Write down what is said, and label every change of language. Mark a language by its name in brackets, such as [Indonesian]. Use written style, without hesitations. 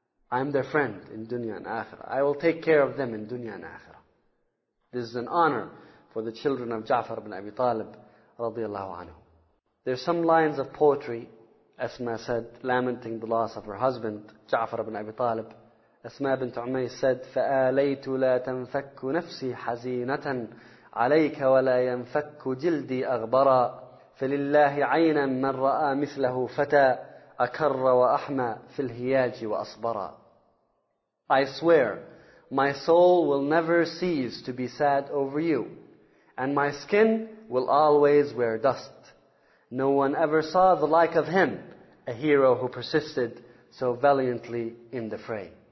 [English] I am their friend in dunya and akhirah. I will take care of them in dunya and akhirah. This is an honor for the children of Ja'far ibn Abi Talib radiallahu anhu. There are some lines of poetry, Asma said, lamenting the loss of her husband, Ja'far ibn Abi Talib. Asma bint Umayy said, [Arabic] فَآلَيْتُ لَا تَنْفَكُّ نَفْسِي حَزِينَةً عَلَيْكَ وَلَا يَنْفَكُّ جِلْدِي أَغْبَرًا فَلِلَّهِ عَيْنًا مَنْ رَآ مِثْلَهُ فَتَى أَكَرَّ وَأَحْمَى فِي الْهِيَاجِ وَأَصْبَرًا. [English] I swear, my soul will never cease to be sad over you, and my skin will always wear dust. No one ever saw the like of him, a hero who persisted so valiantly in the fray.